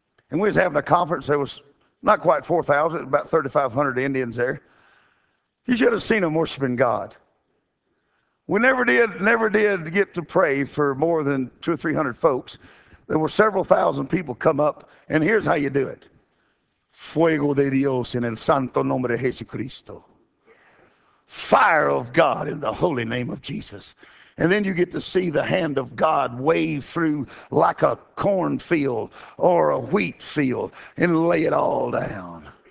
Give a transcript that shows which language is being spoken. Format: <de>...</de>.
<en>And we was having a conference. There was not quite 4,000, about 3,500 Indians there. You should have seen them worshiping God. We never did get to pray for more than 200 or 300 folks. There were several thousand people come up, and here's how you do it.</en> <es>Fuego de Dios en el santo nombre de Jesucristo.</es> <en>Fire of God in the holy name of Jesus. And then you get to see the hand of God wave through like a cornfield or a wheat field and lay it all down.</en>